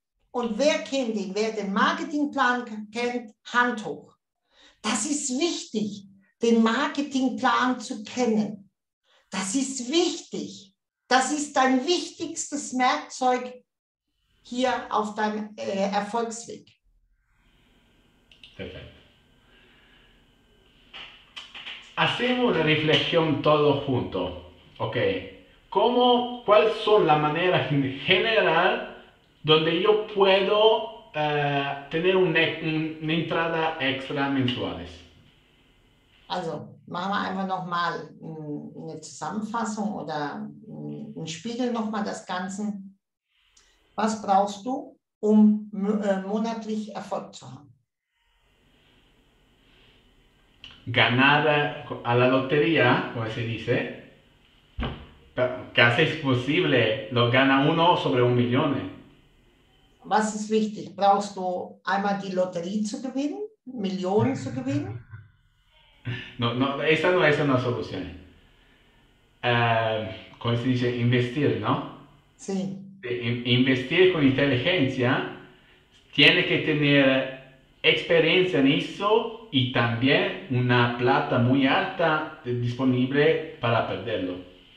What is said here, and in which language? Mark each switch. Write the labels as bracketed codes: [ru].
[de] Und wer kennt ihn? Wer den Marketingplan kennt, Hand hoch. Das ist wichtig. Den Marketingplan zu kennen. Das ist wichtig. Das ist dein wichtigstes Werkzeug hier auf deinem Erfolgsweg. [es] Perfecto. Hacemos una reflexión todos juntos. Ok. ¿Cómo, cuál son las maneras en general donde yo puedo tener una entrada extra mensuales? [de] Also, machen wir einfach nochmal eine Zusammenfassung oder ein Spiegel nochmal das Ganze. Was brauchst du, um monatlich Erfolg zu haben? [es] Ganar a la lotería, como se dice. Casi es posible, lo gana uno sobre un millón. [de] Was ist wichtig? Brauchst du einmal die Lotterie zu gewinnen, Millionen zu gewinnen? [es] No, esa no es una solución. ¿Cómo se dice? Investir, ¿no? Sí. Investir con inteligencia tiene que tener experiencia en eso y también una plata muy alta disponible para perderlo.